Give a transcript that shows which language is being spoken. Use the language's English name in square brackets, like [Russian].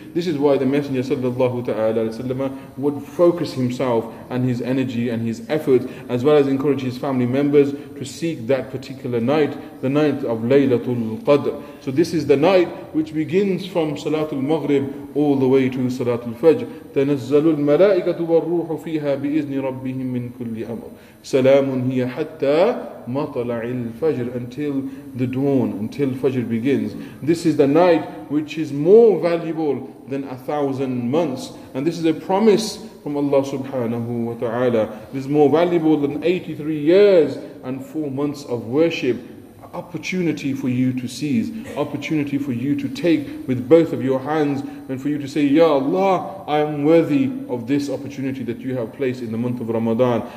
[English] This is why the Messenger sallallahu ta'ala alayhi wa sallam would focus himself and his energy and his efforts, as well as encourage his family members to seek that particular night, the night of Laylatul Qadr. So this is the night which begins from Salatul Maghrib all the way to Salatul Fajr. [Arabic] تَنَزَّلُ الْمَلَائِكَةُ وَالرُّوحُ فِيهَا بِإِذْنِ رَبِّهِمْ مِنْ كُلِّ أَمْرٍ سَلَامٌ هِيَ حَتَّى مَطَلَعِ الْفَجْرِ, [English] until the dawn, until Fajr begins. This is the night which is more valuable than 1,000 months. And this is a promise from Allah subhanahu wa ta'ala. This is more valuable than 83 years and 4 months of worship. Opportunity for you to seize, opportunity for you to take with both of your hands, and for you to say, Ya Allah, I am worthy of this opportunity that you have placed in the month of Ramadan.